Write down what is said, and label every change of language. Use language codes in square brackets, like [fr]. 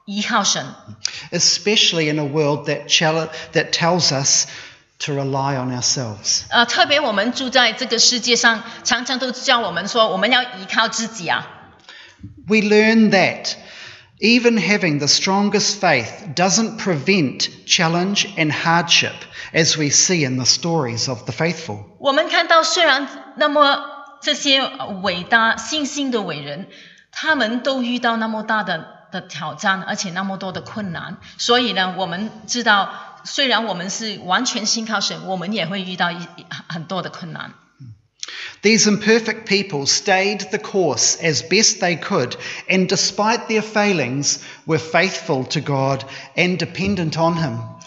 [zh] 我其实觉得，因为他们经过那么大的试探，那么多的经验，从这些他们生命的经验里面，他们学习怎么样完全的信靠、依靠神。 [en] Especially in a world that tells us to rely on ourselves. [zh] 特别我们住在这个世界上，常常都叫我们说，我们要依靠自己啊。 [en] We learn that even having the strongest faith doesn't prevent challenge and hardship, as we see in the stories of the faithful. [zh] 我们看到虽然那么这些伟大信心的伟人，他们都遇到那么大的挑战，而且那么多的困难，所以呢，我们知道虽然我们是完全信靠神，我们也会遇到很多的困难。 [en] These imperfect people stayed the course as best they could, and despite their failings, were faithful to God and dependent on Him.